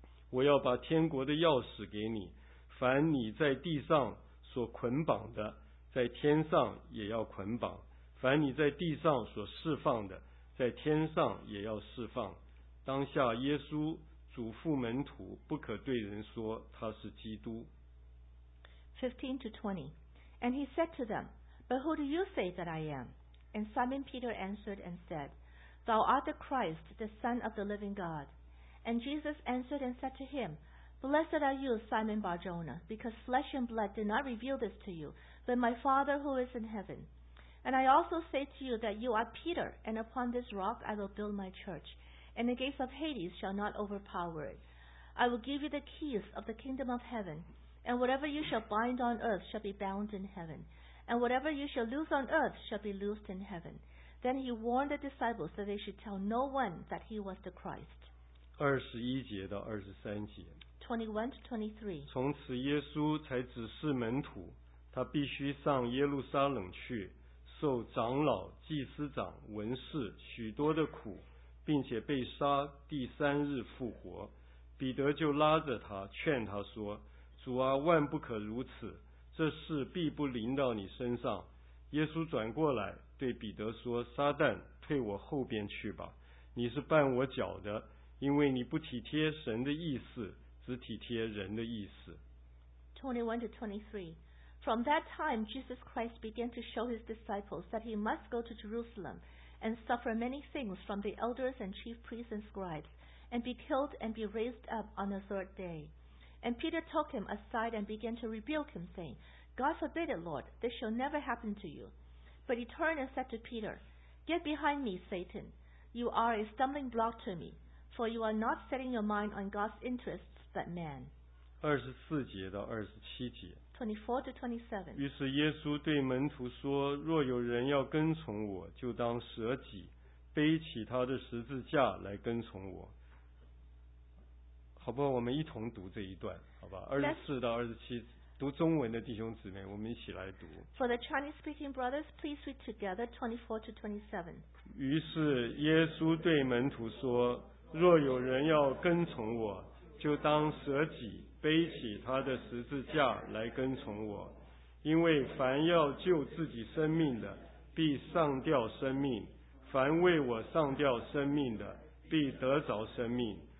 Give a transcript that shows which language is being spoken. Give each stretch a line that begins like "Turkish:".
Chinese: 我要把天国的钥匙给你凡你在地上所捆绑的在天上也要捆绑凡你在地上所释放的在天上也要释放当下耶稣嘱咐门徒不可对人说他是基督。
English: 15 to 20 And he said to them, But who do you say that I am? And Simon Peter answered and said, Thou art the Christ, the Son of the living God. And Jesus answered and said to him, Blessed are you, Simon Bar-Jonah, because flesh and blood did not reveal this to you, but my Father who is in heaven. And I also say to you that you are Peter, and upon this rock I will build my church, and the gates of Hades shall not overpower it. I will give you the keys of the kingdom of heaven, and whatever you shall bind on earth shall be bound in heaven, and whatever you shall loose on earth shall be loosed in heaven. Then he warned the disciples that they should tell no one that he was the Christ. 21-23 21-23
Chinese: 从此耶稣才指示门徒，他必须上耶路撒冷去，受长老、祭司长、文士许多的苦，并且被杀，第三日复活。彼得就拉着他，劝他说，主啊，万不可如此，这事必不临到你身上。耶稣转过来对彼得说，撒旦，退我后边去吧，你是绊我脚的，因为你不体贴神的意思，只体贴人的意思。
English: 21-23 From that time Jesus Christ began to show his disciples that he must go to Jerusalem and suffer many things from the elders and chief priests and scribes and be killed and be raised up on the third day. And Peter took him aside and began to rebuke him, saying, God forbid it, Lord, this shall never happen to you. But he turned and said to Peter, Get behind me, Satan. You are a stumbling block to me, for you are not setting your mind on God's interests, but man. 24-27
Chinese: 于是耶稣对门徒说，若有人要跟从我，就当舍己，背起他的十字架来跟从我。好不好，我们一同读这一段，好吧？24-27读中文的弟兄姊妹，我们一起来读。
English: For the Chinese-speaking brothers, please read together 24-27.
Chinese: 于是耶稣对门徒说，若有人要跟从我，就当舍己，背起他的十字架来跟从我。因为凡要救自己生命的，必丧掉生命；凡为我丧掉生命的，必得着生命。